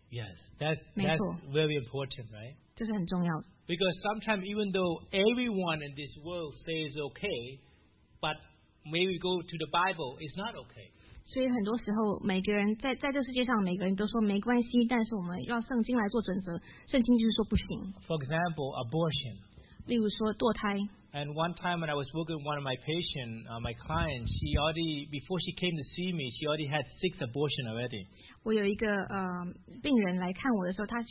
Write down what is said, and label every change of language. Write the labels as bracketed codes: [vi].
[en] Yes, that's very important, right? [zh] 这是很重要. [en] Because sometimes even though everyone in this world says okay, but maybe go to the Bible, it's not okay. [zh] 所以很多时候每个人在这世界上每个人都说没关系，但是我们要圣经来做准则，圣经就是说不行. [en] For example, abortion. [zh] 例如说堕胎。 [en] And one time when I was working with one of my patients, my client, she already, before she came to see me, she already had 6 abortions already. [zh] 我有一个, 病人来看我的时候,